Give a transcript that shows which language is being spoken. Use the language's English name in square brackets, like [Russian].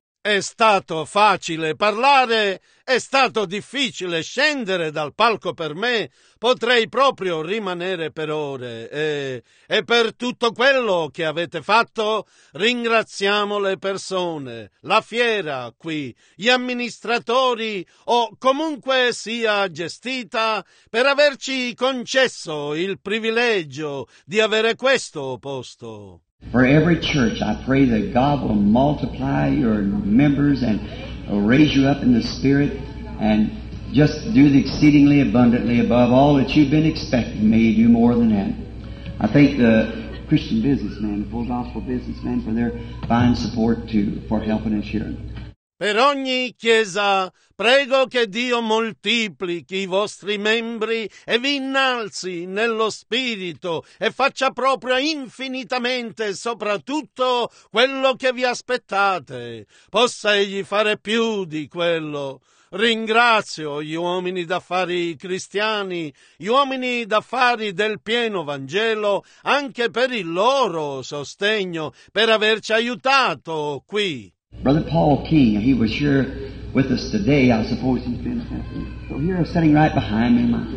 [Italian] È stato facile parlare, è stato difficile scendere dal palco per me, potrei proprio rimanere per ore. E per tutto quello che avete fatto, ringraziamo le persone, la fiera qui, gli amministratori o comunque sia gestita, per averci concesso il privilegio di avere questo posto. [English] For every church, I pray that God will multiply your members and raise you up in the Spirit and just do the exceedingly abundantly above all that you've been expecting. May you do more than that. I thank the Christian businessmen, the full gospel businessmen, for their fine support too, for helping us here. [Italian] Per ogni chiesa, prego che Dio moltiplichi i vostri membri e vi innalzi nello spirito e faccia proprio infinitamente soprattutto quello che vi aspettate. Possa egli fare più di quello. Ringrazio gli uomini d'affari cristiani, gli uomini d'affari del pieno Vangelo, anche per il loro sostegno, per averci aiutato qui. [English] Brother Paul King, he was here with us today, I suppose he's been so here, sitting right behind me.